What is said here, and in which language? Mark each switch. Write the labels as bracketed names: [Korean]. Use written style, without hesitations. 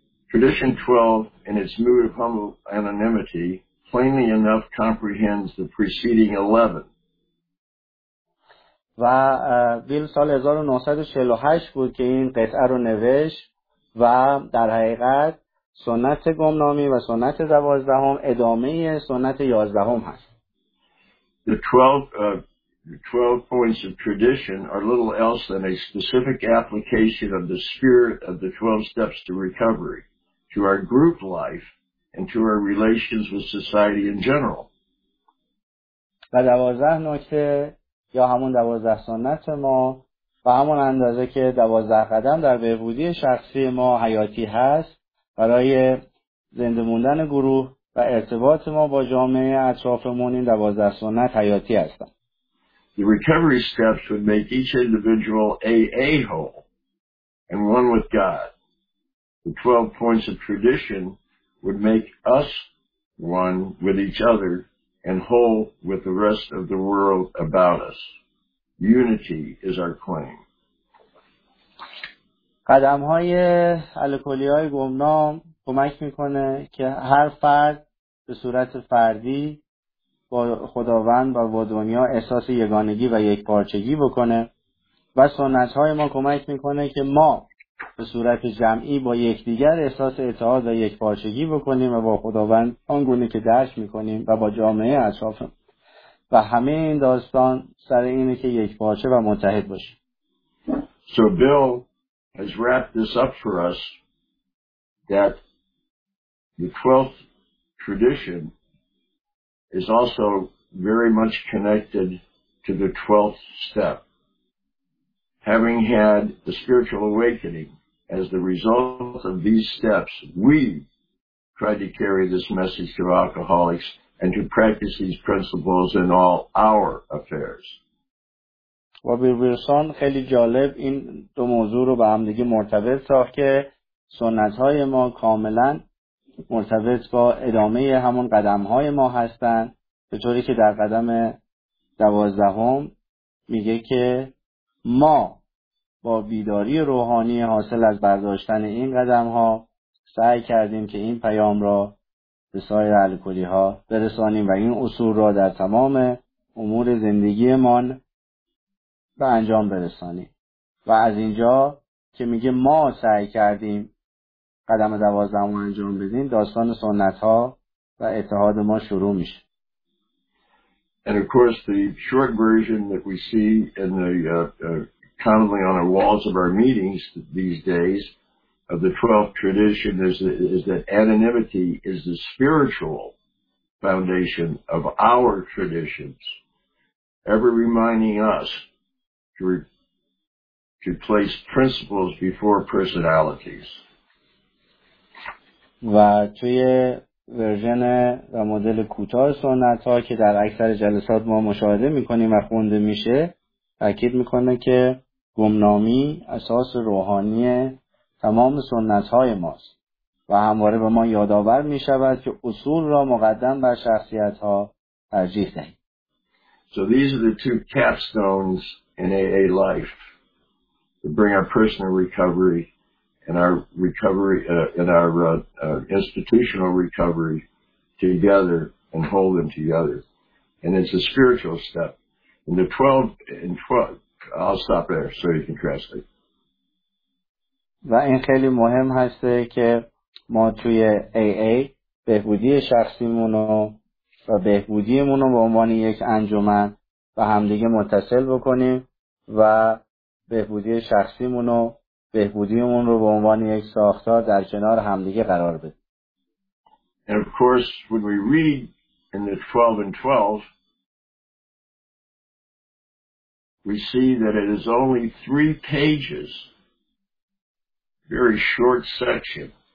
[English] Tradition 12, in its mood of humble anonymity, plainly enough comprehends the preceding 11. [Persian] و بیل سال 1948 بود که این قطعه رو نوشت و در حقیقت سنت گمنامی و سنت 12 هم ادامه سنت 11 هم هست. [English] The 12 points of tradition are little else than a specific application of the spirit of the 12 steps to recovery to our group life and to our relations with society in general. [Persian] و 12 نکته یا همون 12 سنت ما و همون اندازه که 12 قدم در بهبودی شخصی ما حیاتی هست برای زنده موندن گروه و ارتباط ما با جامعه اطرافمون، این 12 سنت حیاتی هستن. [English] The recovery steps would make each individual AA whole and one with God. The 12 points of tradition would make us one with each other and whole with the rest of the world about us. Unity is our claim. [Persian] قدم‌های الکلی‌های گمنام کمک می‌کنه که هر فرد به صورت فردی با خداوند و با دنیا احساس یگانگی و یک پارچگی بکنه و سنت های ما کمک میکنه که ما به صورت جمعی با یکدیگر احساس اتحاد و یک پارچگی بکنیم و با خداوند آنگونه که درک میکنیم و با جامعه اطراف و همه این داستان سر اینه که یک پارچه و متحد باشیم. [English] So Bill has wrapped this up for us that the 12th tradition is also very much connected to the 12th step. Having had the spiritual awakening as the result of these steps, we try to carry this message to alcoholics and to practice these principles in all our affairs. [Persian] و بیرسان خیلی جالب این دو موضوع رو به هم دیگه مرتبط ساخت که سنت‌های ما کاملا مرتبط با ادامه همون قدم‌های ما هستن، به طوری که در قدم 12 میگه که ما با بیداری روحانی حاصل از برداشتن این قدم‌ها سعی کردیم که این پیام را به سایر اهل کلی‌ها برسانیم و این اصول را در تمام امور زندگیمان به انجام برسانیم. و از اینجا که میگه ما سعی کردیم قدم 12 رو انجام بدیم، داستان سنت‌ها و اتحاد ما شروع میشه. [English] And of course the short version that we see in the commonly on the walls of our meetings these days of the 12th tradition is that anonymity is the spiritual foundation of our traditions, ever reminding us to place principles before personalities. [Persian] و توی ورژن و مدل کوتاه سنت ها که در اکثر جلسات ما مشاهده میکنیم و خونده میشه، تاکید میکنه که گمنامی اساس روحانی تمام سنت های ماست و همواره به ما یادآور میشود که اصول را مقدم بر شخصیت ها ترجیح دهیم. [English] So these are the two capstones in AA life to bring our personal recovery and our recovery in our institutional recovery together and hold them together. And it's a spiritual step. And the 12 and 12, I'll stop there so you can translate. [Persian] و این خیلی مهم هسته که ما توی AA بهبودی شخصیمونو و بهبودیمونو به عنوان یک انجمن و همدیگه متصل بکنیم و بهبودی شخصیمونو بهبودیمون رو به عنوان یک ساختار در کنار همدیگه قرار بده. [English] And of course when we read in the 12 and 12 we see that it is only 3 pages, very short section.